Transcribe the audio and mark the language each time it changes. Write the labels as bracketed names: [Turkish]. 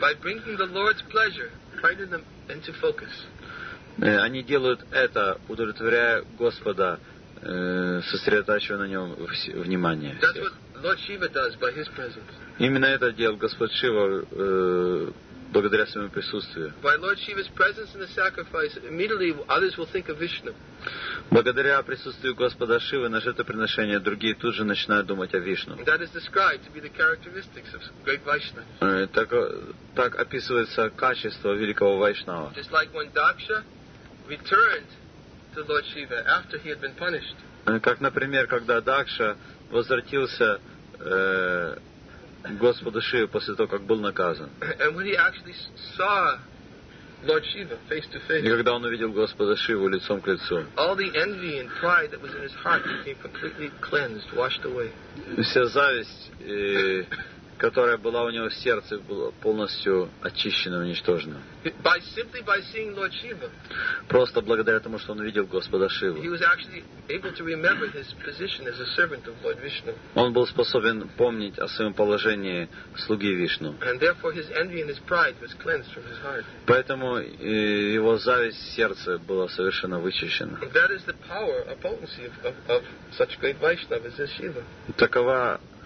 [English] By bringing the Lord's pleasure, bringing them into focus. [Russian] Они делают это, удовлетворяя Господа, сосредотачивая на нем внимание. [English] That's what Lord Shiva does by his presence. [Russian] Именно это делает Господь Шива благодаря своему присутствию. [English] By Lord Shiva's presence in the sacrifice, immediately others will think of Vishnu. [Russian] Благодаря присутствию Господа Шивы на жертвоприношение, другие тут же начинают думать о Вишну. [English] That is described to be the characteristics of great Vaishnava. [Russian] Так описывается качество великого Вайшнава. [English] Just like when Daksha returned to Lord Shiva after he had been punished. [Russian] Как, например, когда Дакша возвратился Господу Шиве после того, как был наказан. [English] And when he actually saw Lord Shiva face to face. [Russian] И когда он увидел Господа Шиву лицом к лицу. [English] All the envy and pride that was in his heart became completely cleansed, washed away. [Russian] Вся зависть, которая была у него в сердце, была полностью очищена, уничтожена. [English] By simply by seeing Lord Shiva. [Russian] Просто благодаря тому, что он увидел Господа Шиву. [English] He was actually able to remember his position as a servant of Lord Vishnu. [Russian] Он был способен помнить о своем положении слуги Вишну. [English] And therefore his envy and his pride was cleansed from his heart. [Russian] Поэтому его зависть в сердце была совершенно вычищена. [English] And that is the power, a potency of such great Vaishnava as Shiva.